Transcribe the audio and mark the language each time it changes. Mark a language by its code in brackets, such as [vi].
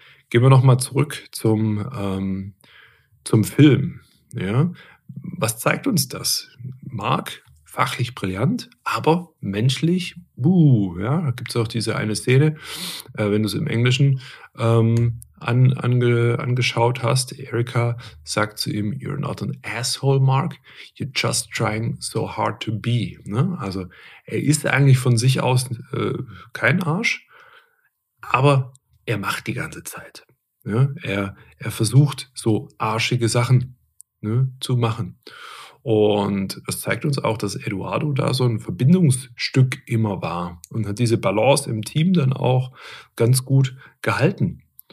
[de] Gehen wir nochmal zurück zum Film. Ja, was zeigt uns das? Mark, fachlich brillant, aber menschlich, ja, da gibt es auch diese eine Szene, wenn du es im Englischen angeschaut hast. Erika sagt zu ihm, [en] you're not an asshole, Mark, you're just trying so hard to be. [de] Ne? Also er ist eigentlich von sich aus kein Arsch, aber er macht die ganze Zeit. Ja, er versucht, so arschige Sachen, ne, zu machen. Und das zeigt uns auch, dass Eduardo da so ein Verbindungsstück immer war und hat diese Balance im Team dann auch ganz gut gehalten.